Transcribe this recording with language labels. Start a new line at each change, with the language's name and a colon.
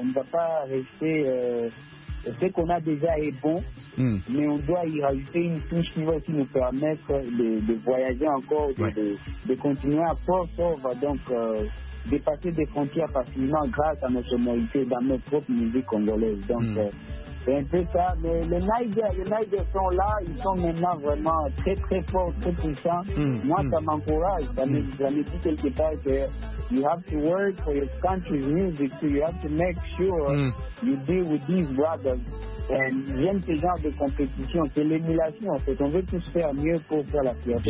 French: On ne va pas rester. Ce qu'on a déjà est bon, mais on doit y rajouter une touche qui va aussi nous permettre de voyager encore, de continuer à pouvoir donc dépasser des frontières facilement grâce à nos sonorités dans notre propre musique congolaise. Donc, c'est un peu ça. Mais les Niger sont là, ils sont maintenant vraiment très, très forts, très puissants. Moi, ça m'encourage. Ça me dit quelque part que
English: you have to work for your country's music, too. You have to make sure you deal with these brothers.
French: And j'aime ce genre de compétition. C'est l'émulation, en fait. On veut tous faire mieux pour faire la fierté